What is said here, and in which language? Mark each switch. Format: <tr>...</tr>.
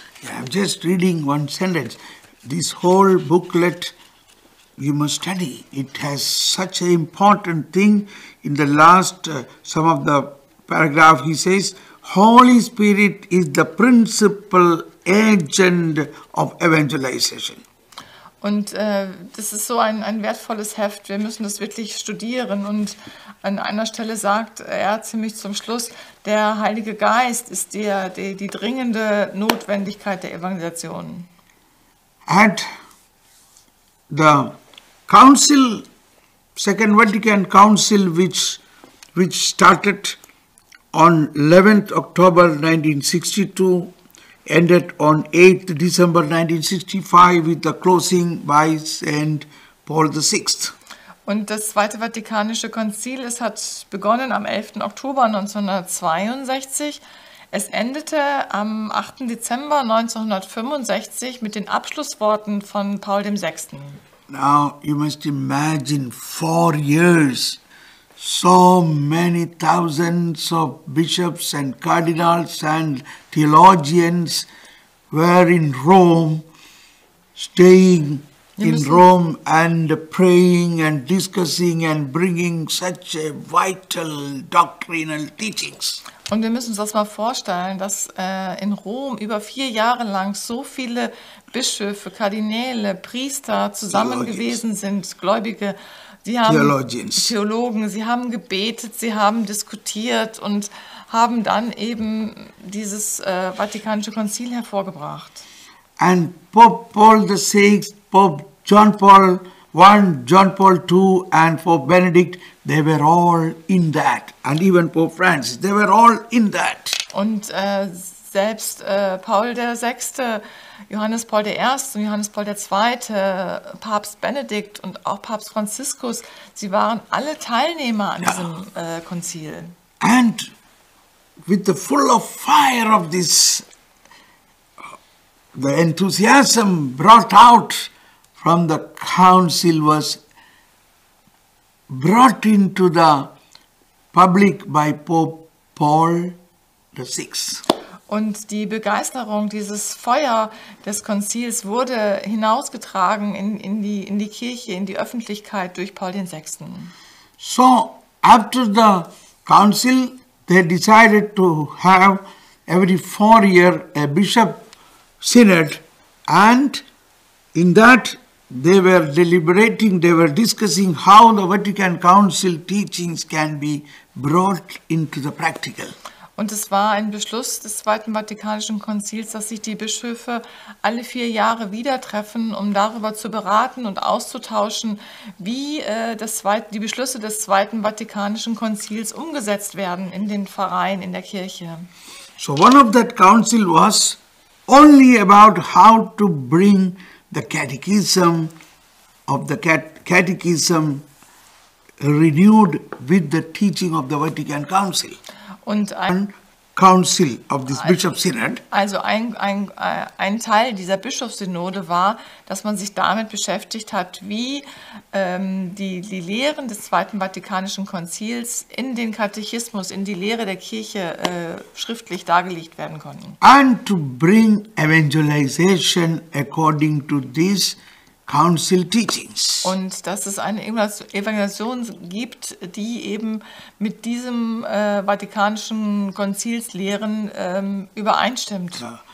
<en>Yeah, I'm just reading one sentence. This whole booklet you must study. It has such an important thing. In the last some of the paragraph, he says, Holy Spirit is the principal agent of evangelization.</en> <de>Und das ist so ein wertvolles Heft. Wir müssen das wirklich studieren. Und an einer Stelle sagt er ziemlich zum Schluss, der Heilige Geist ist die dringende Notwendigkeit der Evangelisation.</de> <en>At the Council, Second Vatican Council, which started on 11th October 1962, ended on 8th December 1965 with the closing by Saint Paul VI.</en> <de>Und das Zweite Vatikanische Konzil, es hat begonnen am 11. Oktober 1962. Es endete am 8. Dezember 1965 mit den Abschlussworten von Paul VI.</de> <en>Now you must imagine 4 years, so many thousands of bishops and cardinals and theologians were in Rome, staying in Rome and praying and discussing and bringing such a vital doctrinal teachings.</en> <de>Und wir müssen uns das mal vorstellen, dass in Rom über 4 Jahre lang so viele Bischöfe, Kardinäle, Priester zusammen gewesen sind, Gläubige, die haben Theologen, sie haben gebetet, sie haben diskutiert und haben dann eben dieses Vatikanische Konzil hervorgebracht.</de> <en>And Pope Paul VI, Pope John Paul I, John Paul II and Pope Benedict, they were all in that. And even Pope Francis, they were all in that.</en> <de>Und selbst Paul VI, Johannes Paul I und Johannes Paul II, Papst Benedikt und auch Papst Franziskus, sie waren alle Teilnehmer an diesem Konzil.</de> <en>And with the full of fire of this, the enthusiasm brought out from the council was brought into the public by Pope Paul VI.</en> <de>Und die Begeisterung, dieses Feuer des Konzils wurde hinausgetragen in die Kirche, in die Öffentlichkeit durch Paul VI.</de> <en>So, after the council, they decided to have every 4 year a bishop synod, and in that they were deliberating, they were discussing how the Vatican Council teachings can be brought into the practical.</en> <de>Und es war ein Beschluss des Zweiten Vatikanischen Konzils, dass sich die Bischöfe alle 4 Jahre wieder treffen, um darüber zu beraten und auszutauschen, wie die Beschlüsse des Zweiten Vatikanischen Konzils umgesetzt werden in den Pfarreien, in der Kirche.</de> <en>So one of that council was only about how to bring the catechism of the catechism renewed with the teaching of the Vatican Council.</en> <de>Und ein</de> <en>Council of this Bishop Synod.</en> <de>Also ein Teil dieser Bischofssynode war, dass man sich damit beschäftigt hat, wie die Lehren des Zweiten Vatikanischen Konzils in den Katechismus, in die Lehre der Kirche schriftlich dargelegt werden konnten.</de> <en>And to bring evangelization according to these Council teachings.</en> <de>Und dass es eine Evangelisation gibt, die eben mit diesem Vatikanischen Konzilslehren übereinstimmt.</de>